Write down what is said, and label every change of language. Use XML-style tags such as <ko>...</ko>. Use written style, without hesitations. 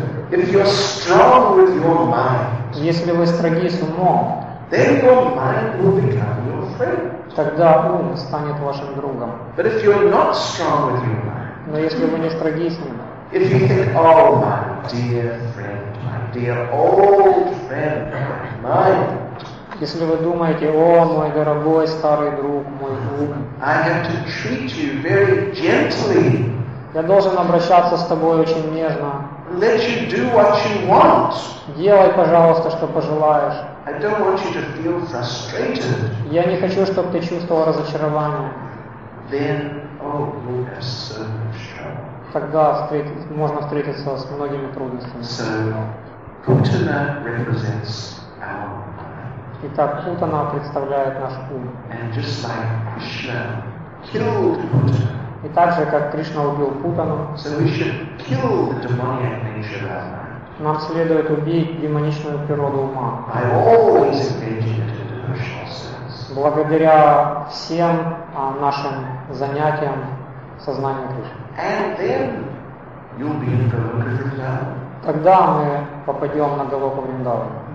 <en>If you're strong with your mind,</en> <ru>если вы строги с умом,</ru> <en>then your mind will become your friend.</en> <ru>Тогда ум станет вашим другом.</ru> <en>But if you're not strong with your mind,</en> <ru>но если вы не строги с ним,</ru> <en>if you think, oh, my dear friend, my dear old friend, my,</en> <ru>если вы думаете, о, мой дорогой старый друг, мой друг,</ru> <en>I have to treat you very gently.</en> <ru>Я должен обращаться с тобой очень нежно.</ru> <en>Let you do what you want.</en> <ru>Делай, пожалуйста, что пожелаешь.</ru> <en>I don't want you to feel frustrated.</en> <ru>Я не хочу, чтобы ты чувствовал разочарование.</ru> <en>Then, oh, you have so much trouble.</en> <ru>Тогда можно встретиться с многими трудностями.</ru> <en>So, Путана represents our mind.</en> <ru>Итак, Путана представляет наш ум.</ru> <en>And just like Krishna killed Putana.</en> <ru>И так же, как Кришна убил Путану,</ru> <en>so we should kill the demonic nature of our mind.</en> <ru>Нам следует убить демоничную природу ума.</ru> <en>I always engage in the devotional service.</en> <ru>Благодаря всем нашим занятиям сознания Кришны.</ru> <en>And then you'll be in Goloka Vrindavan.</en> <ru>Тогда мы попадем на Голоку Вриндаван.</ru>